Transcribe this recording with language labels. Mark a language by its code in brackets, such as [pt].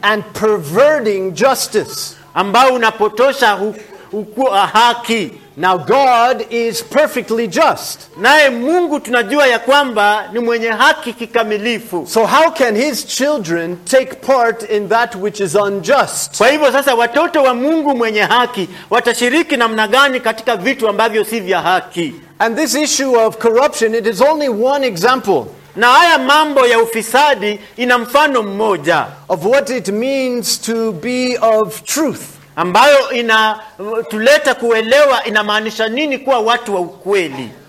[en] And perverting justice. [sw] Ambao unapotosha haki. [en] Now God is perfectly just. [sw] Naye Mungu tunajua ya kwamba ni mwenye haki kikamilifu. [en] So how can his children take part in that which is unjust? [sw] Kwa hivyo sasa watoto wa Mungu mwenye haki watashiriki namna gani katika vitu ambavyo si vya haki? [en] And this issue of corruption, it is only one example. [sw] Na haya mambo ya ufisadi ina mfano mmoja. [en] Of what it means to be of truth. [sw] Ambayo ina tuleta kuelewa inamaanisha nini kuwa watu wa ukweli.